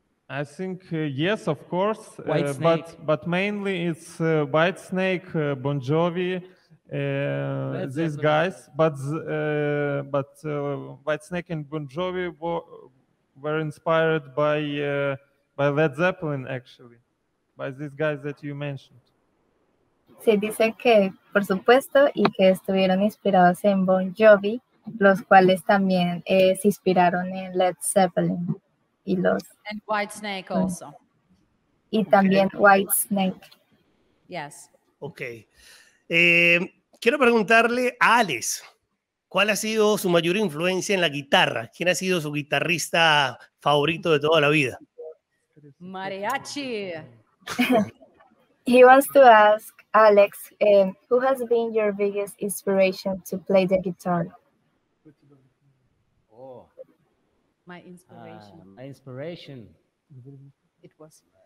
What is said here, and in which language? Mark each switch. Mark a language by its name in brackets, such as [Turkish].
[English] I think yes, of course, but mainly it's Whitesnake, Bon Jovi, these guys. But Whitesnake and Bon Jovi were inspired by Led Zeppelin, actually, by these guys that you mentioned. [Spanish] Sí, dicen que por supuesto y que estuvieron inspirados en Bon Jovi, los cuales también se inspiraron en Led Zeppelin. Y los [English] and Whitesnake also. [Spanish] Y también okay. Whitesnake. [English] Yes. Okay. [Spanish] Quiero preguntarle a Alex, ¿cuál ha sido su mayor influencia en la guitarra? ¿Quién ha sido su guitarrista favorito de toda la vida? Mariachi. [English] He wants to ask Alex, who has been your biggest inspiration to play the guitar? My inspiration. It was